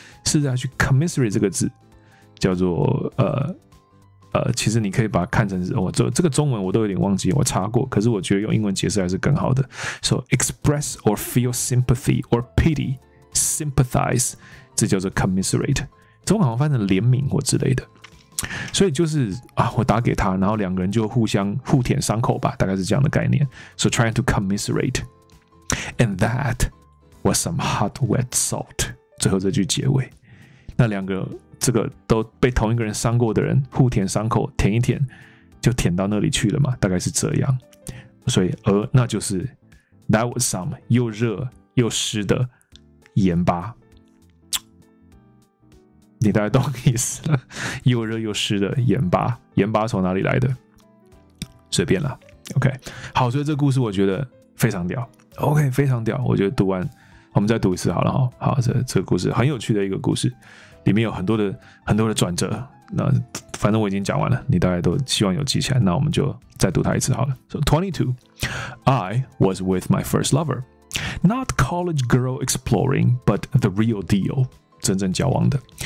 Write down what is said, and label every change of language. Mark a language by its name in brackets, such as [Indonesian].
[Chinese] 试着来去 commiserate 这个字，叫做其实你可以把它看成是我、哦、这个中文我都有点忘记，我查过，可是我觉得用英文解释还是更好的。 [English] So express or feel sympathy or pity, sympathize， [Chinese] 这叫做 [English] commiserate， [Chinese] 中文好像翻成怜悯或之类的。所以就是啊，我打给他，然后两个人就互相互舔伤口吧，大概是这样的概念。 [English] So trying to commiserate， and that was some hot wet salt。 [Chinese] 最后这句结尾，那两个。这个都被同一个人伤过的人互舔伤口，舔一舔就舔到那里去了嘛，大概是这样。所以那就是 [English] That was some [Chinese] 又热又湿的盐巴，你大概懂意思了，又热又湿的盐巴，盐巴从哪里来的，随便啦。 OK， 好，所以这故事我觉得非常屌。OK， 非常屌，我觉得读完我们再读一次好了。好， 这个故事很有趣的一个故事，里面有很多的转折，那反正我已经讲完了，你大概都希望有记起来，那我们就再读它一次好了。 [English] So 22, I was with my first lover, not college girl exploring, but the real deal, [Chinese] 真正交往的。